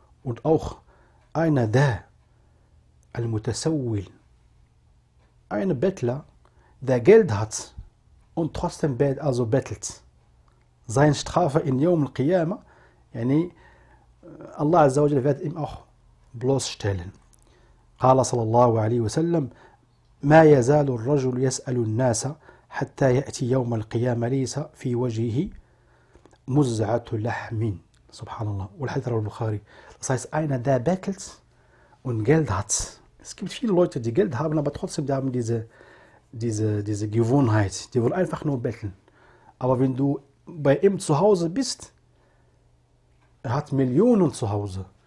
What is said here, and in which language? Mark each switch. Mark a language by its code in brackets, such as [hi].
[de] Und auch [ar] أين ده المتسول, [de] ein Bettler, der Geld hat und trotzdem bettelt. Seine Strafe in Yawm al-Qiyamah, yani Allah Azza wa Jalla wird ihm auch bloßstellen. [ar] قال صلى الله عليه وسلم ما يزال الرجل يسأل الناس حتى يأتي يوم القيامة ليس في وجهه مزعة لحم. سبحان الله. والحديث رواه البخاري. [de] Das heißt, einer, der bettelt und Geld hat. Es gibt viele Leute, die Geld haben, aber trotzdem die haben diese Gewohnheit, die wollen einfach nur betteln. Aber wenn du bei ihm zu Hause bist, er hat Millionen zu Hause,